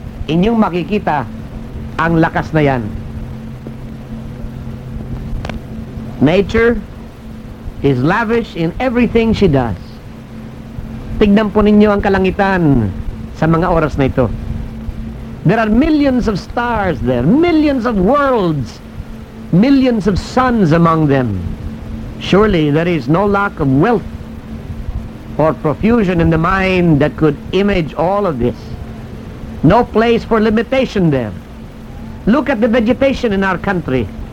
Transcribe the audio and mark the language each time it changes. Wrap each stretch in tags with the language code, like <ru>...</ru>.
<tl>Inyong makikita ang lakas na yan.</tl> <en>Nature is lavish in everything she does.</en> <tl>Tignan po ninyo ang kalangitan sa mga oras na ito.</tl> <en>There are millions of stars there, millions of worlds, millions of suns among them. Surely there is no lack of wealth or profusion in the mind that could image all of this. No place for limitation there. Look at the vegetation in our country.</en>